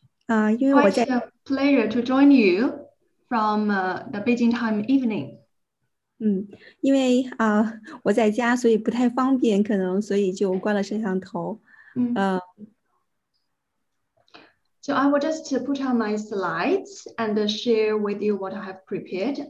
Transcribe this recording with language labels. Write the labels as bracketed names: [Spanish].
[English] It's a pleasure to join you from the Beijing time evening. [Chinese] 因为我在家，所以不太方便，可能所以就关了摄像头。 [English] So I will just put on my slides and share with you what I have prepared.